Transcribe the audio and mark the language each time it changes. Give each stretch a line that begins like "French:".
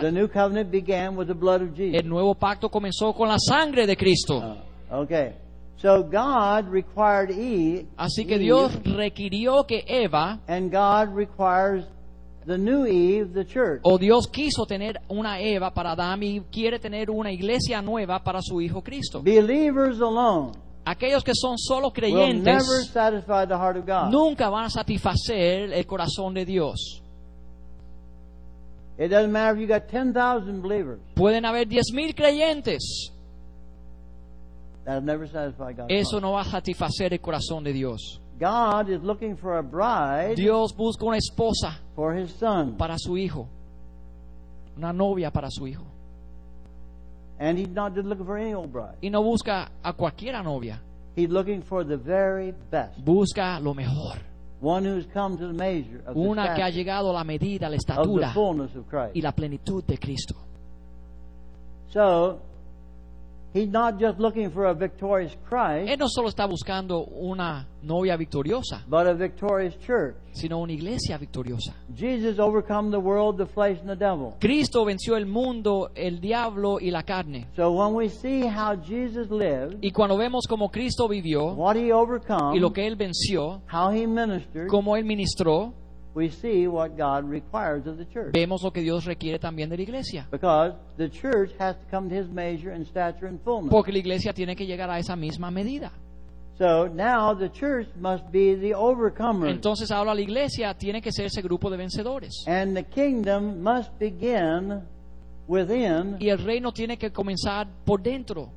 English: The new covenant began with the blood of Jesus.
Spanish: El nuevo pacto comenzó con la sangre de Cristo.
English: Okay. So God required Eve.
Spanish: Así que Dios requirió que Eva.
English: And God requires the new Eve, the church.
Spanish: O Dios quiso tener una Eva para Adam y quiere tener una iglesia nueva para su hijo Cristo.
English: Believers alone.
Spanish: Aquellos que son solo creyentes.
English: Will never satisfy the heart of God.
Spanish: Nunca van a satisfacer el corazón de Dios.
English: It doesn't matter if you got 10,000 believers.
Spanish: Pueden haber 10,000 creyentes.
English: That'll never satisfy God's
Spanish: eso
English: heart.
Spanish: No va a satisfacer el corazón de Dios.
English: God is looking for a bride.
Spanish: Dios busca una esposa
English: for his son.
Spanish: Para su hijo. Una novia para su hijo.
English: And he's not just looking for any old bride.
Spanish: Y no busca a cualquiera novia.
English: He's looking for the very best.
Spanish: Busca lo mejor.
English: One who's come to the measure of
Spanish: una
English: the
Spanish: que ha llegado a la medida, la estatura
English: of the fullness of Christ.
Spanish: Y la plenitud de Cristo.
English: So he's not just looking for a victorious Christ.
Spanish: Él no solo está buscando una novia victoriosa,
English: but a victorious church.
Spanish: Sino una iglesia victoriosa.
English: Jesus overcame the world, the flesh, and the devil.
Spanish: Cristo venció el mundo, el diablo y la carne.
English: So when we see how Jesus lived,
Spanish: y cuando vemos cómo Cristo vivió,
English: what he overcame,
Spanish: y lo que él venció,
English: how he ministered,
Spanish: cómo él ministró,
English: we see what God requires of the church.
Spanish: Vemos lo que Dios requiere también de la iglesia.
English: Because the church has to come to his measure and stature and fullness.
Spanish: Porque la iglesia tiene que llegar a esa misma medida.
English: So now the church must be the overcomer.
Spanish: Entonces ahora la iglesia tiene que ser ese grupo de vencedores.
English: And the kingdom must begin within.
Spanish: Y el reino tiene que comenzar por dentro.